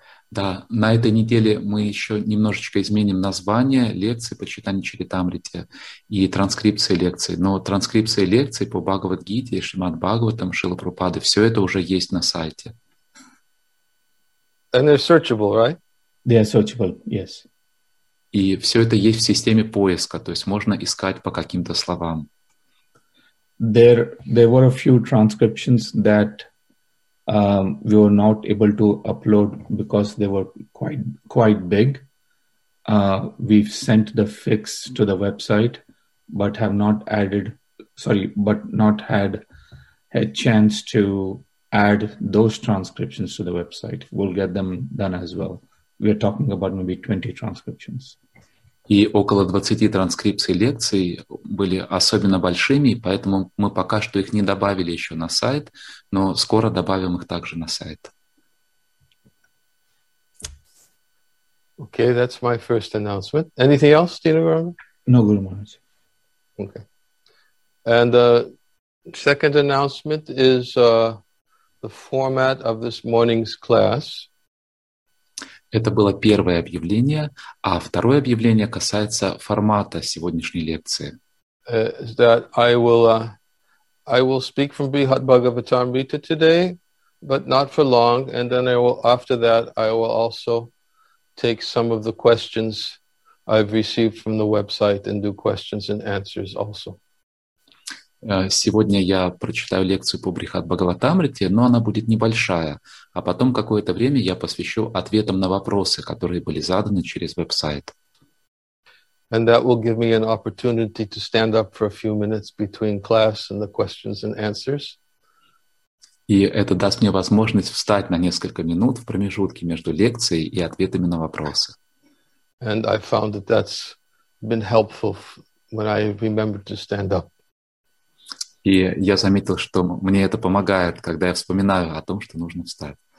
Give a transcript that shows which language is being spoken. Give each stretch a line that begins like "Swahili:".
Russian: Да, на этой неделе мы еще немножечко изменим название лекции по читанию Чаритамрите и транскрипции лекций, но транскрипция лекций по Бхагавад Гите и Шримад Бхагаватам Шрила Прабхупады, все это уже есть на сайте.
English: And they're searchable, right? They are searchable, yes.
Russian: И все это есть в системе поиска, то есть можно искать по каким-то словам.
English: There were a few transcriptions that we were not able to upload because they were quite big. We've sent the fix to the website, but have not added, sorry, but not had a chance to add those transcriptions to the website. We'll get them done as well. We are talking about maybe 20 transcriptions.
Russian: И около 20 транскрипций лекций были особенно большими, поэтому мы пока что их не добавили еще на сайт, но скоро добавим их также на сайт.
English: Okay, that's my first announcement. Anything else, Dino Gauranga? No, Guru Maharaj. Okay. And the second announcement is the format of this morning's class.
Russian: Это было первое объявление, а второе объявление касается формата сегодняшней лекции.
English: That I will speak from Brihad Bhagavatamrita today, but not for long, and then after that I will also take some of the questions I've received from the website and do questions and answers also.
Russian: Сегодня я прочитаю лекцию по Брихат Бхагаватамрите, но она будет небольшая, а потом какое-то время я посвящу ответам на вопросы, которые были заданы через веб-сайт.
English: And that will give me an opportunity to stand up for a few minutes between class and the questions and answers.
Russian: И это даст мне возможность встать на несколько минут в промежутке между лекцией и ответами на вопросы.
English: And I found that that's been helpful when I remembered to stand up.
Russian: И я заметил, что мне это помогает, когда я вспоминаю о том, что нужно встать.